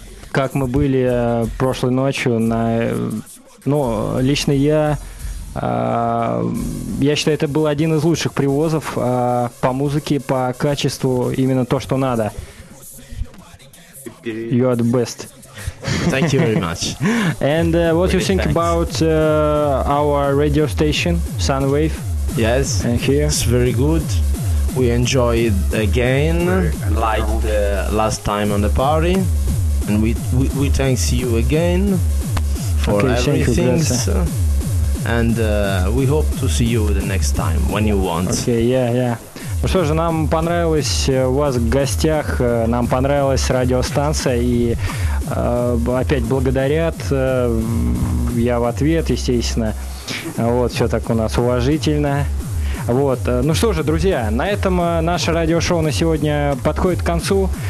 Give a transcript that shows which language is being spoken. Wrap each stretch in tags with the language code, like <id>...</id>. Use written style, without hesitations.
<ru>Как мы были прошлой ночью на, лично я считаю, это был один из лучших привозов по музыке, по качеству, именно то, что надо.</ru> <en>You are the best. Thank you very much. And what do you think about our radio station, Sunwave? Yes, and here it's very good. We enjoyed again, like the last time on the party, and we thanks you again for everything. And we hope to see you the next time when you want. Okay, yeah.</en> <ru>Ну что же, нам понравилось у вас в гостях, нам понравилась радиостанция, и опять благодарят я в ответ, естественно. Вот, все так у нас уважительно. Вот, ну что же, друзья, на этом наше радиошоу на сегодня подходит к концу.</ru>